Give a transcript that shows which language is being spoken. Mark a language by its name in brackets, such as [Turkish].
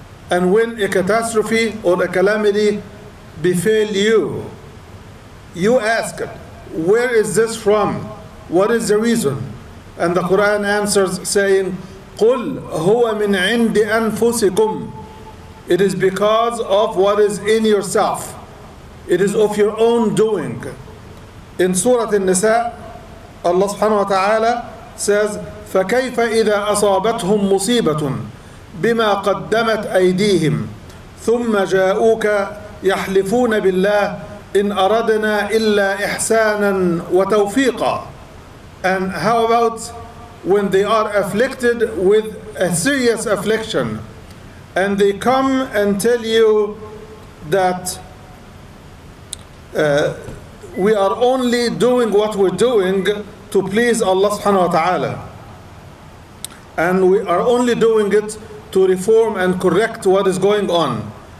[English] And when a catastrophe or a calamity befell you, you ask, where is this from? What is the reason? And the Quran answers saying, [Arabic] قُلْ هُوَ مِنْ عِنْدِ أَنفُسِكُمْ. [English] It is because of what is in yourself. It is of your own doing. In Surah An-Nisa, Allah subhanahu wa ta'ala says, [Arabic] فَكَيْفَ إِذَا أَصَابَتْهُمْ مُصِيبَةٌ بِمَا قَدَّمَتْ أَيْدِيهِمْ ثُمَّ جَاءُوكَ يَحْلِفُونَ بِاللَّهِ إن أردنا إلا إحسانا وتوفيقا. [English] And how about when they are afflicted with a serious affliction and they come and tell you that we are only doing what we're doing to please Allah subhanahu wa ta'ala and we are only doing it to reform and correct what is going on.